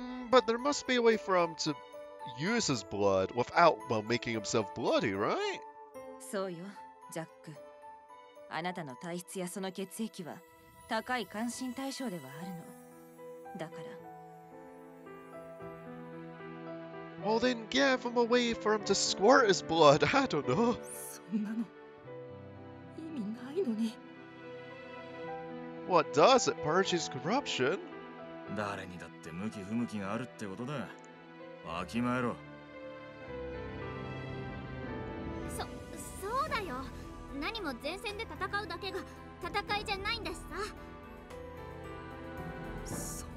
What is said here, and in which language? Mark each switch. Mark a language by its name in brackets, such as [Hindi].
[English] But there must be a way for him to use his blood without making himself bloody, right? [Japanese] そうよ、ジャック、あなたの体質やその血液は高い関心対象ではあるのだから。 [English] Well then give him a way for him to squirt his blood, I don't know. [Japanese] そんなの意味ないのに。 [English] What does it purge his corruption? [Japanese] 誰にだって向き不向きがあるってことだ。わきまえろ。そうだよ、何も前線で戦うだけが戦いじゃないんだしさ。